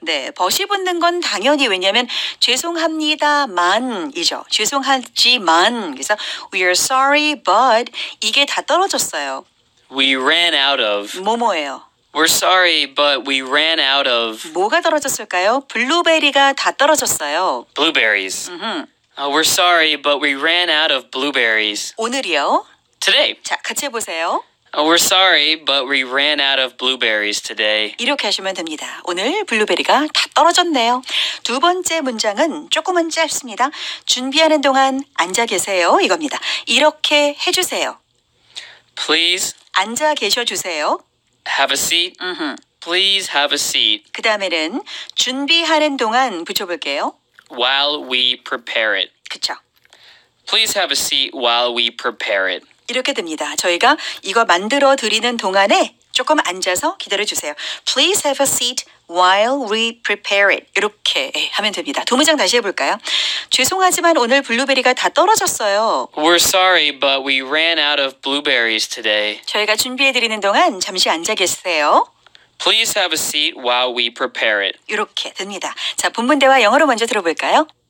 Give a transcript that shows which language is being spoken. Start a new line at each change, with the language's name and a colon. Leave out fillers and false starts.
Korean: 네, 벗이 붙는 건 당연히 왜냐하면 죄송합니다만이죠. 죄송하지만. 그래서
English: we are sorry, but
Korean: 이게 다 떨어졌어요.
English: We ran out of.
Korean: 뭐뭐예요?
English: We're sorry, but we ran out of.
Korean: 뭐가 떨어졌을까요? 블루베리가 다 떨어졌어요.
English: Blueberries. Mm-hmm. We're sorry, but we ran out of blueberries.
Korean: 오늘이요?
English: Today.
Korean: 자, 같이 해보세요.
English: We're sorry, but we ran out of blueberries today.
Korean: 이렇게 하시면 됩니다. 오늘 블루베리가 다 떨어졌네요. 두 번째 문장은 조금은 짧습니다. 준비하는 동안 앉아 계세요. 이겁니다. 이렇게 해주세요.
English: Please.
Korean: 앉아 계셔주세요.
English: Have a seat. Mm-hmm. Please have a seat.
Korean: 그 다음에는 준비하는 동안 붙여볼게요.
English: While we prepare it.
Korean: 그쵸.
English: Please have a seat while we prepare it.
Korean: 이렇게 됩니다. 저희가 이거 만들어 드리는 동안에 조금 앉아서 기다려주세요.
English: Please have a seat while we prepare it.
Korean: 이렇게 하면 됩니다. 두 문장 다시 해볼까요? 죄송하지만 오늘 블루베리가 다 떨어졌어요.
English: We're sorry, but we ran out of blueberries today.
Korean: 저희가 준비해드리는 동안 잠시 앉아 계세요.
English: Please have a seat while we prepare it.
Korean: 이렇게 됩니다. 자, 본문 대화 영어로 먼저 들어볼까요?